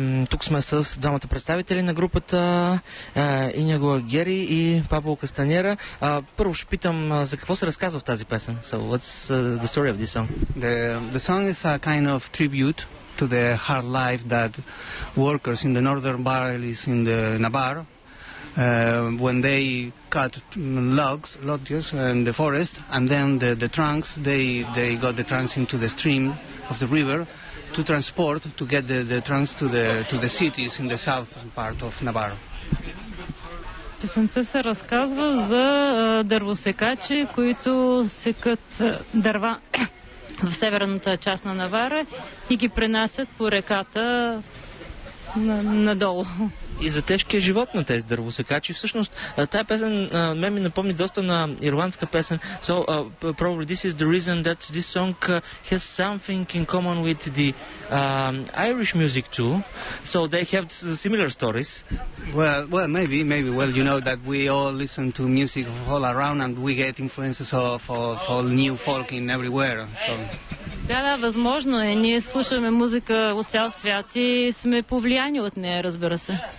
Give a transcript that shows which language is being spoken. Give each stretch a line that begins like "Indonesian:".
Bulgarian: Тук сме с двамата представители на групата Иняго Агери и Пабло Кастанера. Първо ще питам за какво се разказва в тази песен.
English: So what's the story of this song? The song is a kind of tribute to the hard life that workers in the northern barrels in the Navarre when they cut logs in the forest, and then the trunks, they got the trunks into the stream of the river to transport, to get the trunks to the cities in the south part of Navarre.
Bulgarian: Песента се разказва за дървосекачи, които секат дърва в северната част на Навара и ги пренасят по реката надолу. И за тежкия живот на тези дървосекачи. Всъщност, тая песен мен ми напомни доста на ирландска песен.
English: So, probably this is the reason that this song has something in common with the Irish music too. So, they have similar stories. Well, maybe. Well, you know that we all listen to music all around and we get influences of all new folk in everywhere. So.
Bulgarian: Да, възможно е. Ние слушаме музика от цял свят и сме повлияни от нея, разбира се.